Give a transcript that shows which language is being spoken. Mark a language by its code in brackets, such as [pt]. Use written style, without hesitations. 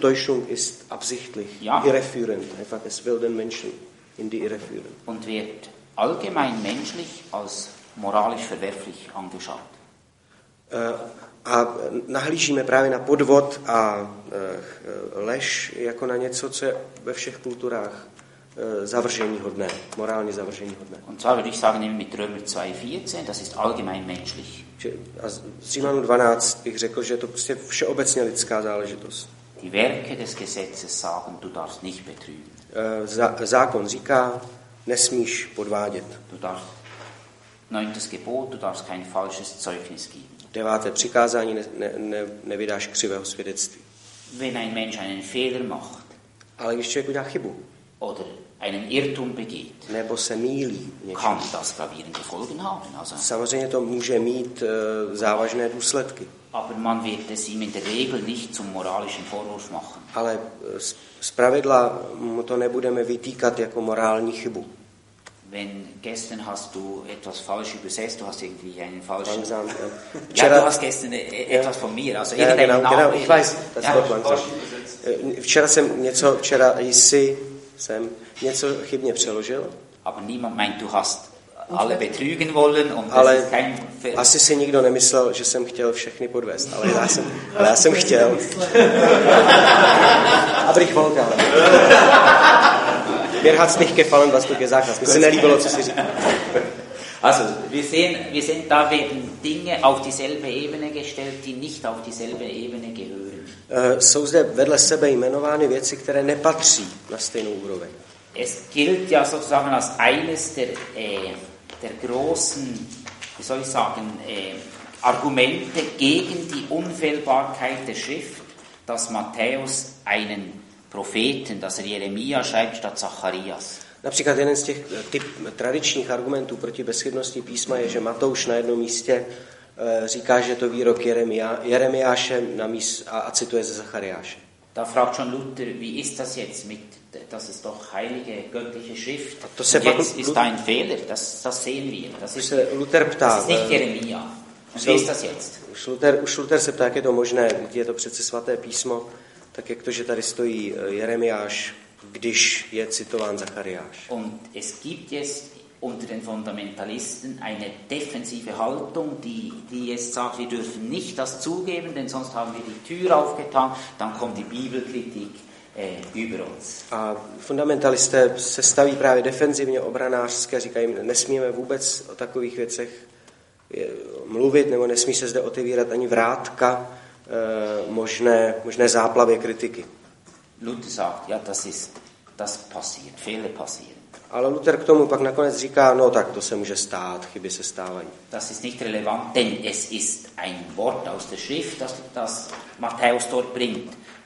[de] Täuschung ist absichtlich, ja. Irreführend, einfach es will den Menschen in die Irre führen. Und wird allgemein menschlich als moralisch verwerflich angeschaut. [cs] A nahlížíme právě na podvod a lež jako na něco, co je ve všech kulturách zavrženíhodné, morálně zavrženíhodné. [de] Und zwar würde ich sagen, mit Römer 2,14, das ist allgemein menschlich. [cs] A z Římanů 12 bych řekl, že je to prostě všeobecně lidská záležitost. [de] Die Werke des Gesetzes sagen, du darfst nicht betrügen. [cs] Zákon říká, nesmíš podvádět. [de] Du darfst, neuntes Gebot, du darfst kein falsches Zeugnis geben. [cs] Deváté přikázání, nevydáš křivého svědectví. [de] Wenn ein Mensch einen Fehler macht. [cs] Ale když člověk udělá chybu. [de] Oder einen Irrtum begeht. [cs] Nebo se mýlí něčím. [de] Kann das gravierende Folgen haben, also. [cs] Samozřejmě to může mít závažné důsledky. [de] Aber man wird es ihm in der Regel nicht zum moralischen Vorwurf machen. [cs] Ale z pravidla mu to nebudeme vytýkat jako morální chybu. [de] Wenn gestern hast du etwas falsch übersetzt, du hast irgendwie einen falschen... Langsam. [cs] Včera... [de] Ja, du hast gestern etwas von mir, also ja, irgendeinen Namen. Genau, ich weiß, das ist langsam. [cs] Včera jsem něco, včera jsi... Jsem něco chybně přeložil. [de] Aber niemand meint, du hast alle betrügen wollen und [cs] ale [de] das ist kein [cs] asi si nikdo nemyslel, že jsem chtěl všechny podvést, ale já jsem chtěl. [de] Aber ich wollte. Mir hat's nicht gefallen, was du gesagt hast. Mir ist [cs] nelíbilo, co jsi říkal. [de] Also, wir sehen, da werden Dinge auf dieselbe Ebene gestellt, die nicht auf dieselbe Ebene gehören. [cs] Jsou zde vedle sebe jmenovány věci, které nepatří na stejnou úroveň. [de] Es gilt ja sozusagen als eines der großen, wie soll ich sagen, Argumente gegen die Unfehlbarkeit der Schrift, dass Matthäus einen Propheten, dass er Jeremia schreibt statt Zacharias. [cs] Například jeden z těch tradičních argumentů proti bezchybnosti písma je, že Matouš na jednom místě říká, že to výrok Jeremiáše a cituje ze Zachariáše. [de] Da fragt schon Luther, wie ist das jetzt mit, das ist doch heilige göttliche Schrift. [cs] A to se [de] jetzt ist ein Fehler, das sehen wir. Das ist, [cs] se Luther ptá, [de] das ist nicht Jeremia. Wie ist das jetzt? [cs] Už Luther se ptá, jak je to možné, když je to přece svaté písmo, tak jak to, že tady stojí Jeremiáš, když je citován Zachariáš. [de] Und es gibt jetzt unter den Fundamentalisten eine defensive Haltung, die jetzt sagt, wir dürfen nicht das zugeben, denn sonst haben wir die Tür aufgetan, dann kommt die Bibelkritik über uns. [cs] A fundamentalisté se staví právě defenzivně obranářské, říkají, nesmíme vůbec o takových věcech mluvit, nebo nesmí se zde otevírat ani vrátka, možné záplavě kritiky. [de] Luther sagt, ja, das passiert, Fehler passieren. [cs] Ale Luther k tomu pak nakonec říká, no tak to se může stát, chyby se stávají. [de] Das ist nicht relevant, denn es ist ein Wort aus der Schrift, das Matthäus dort bringt.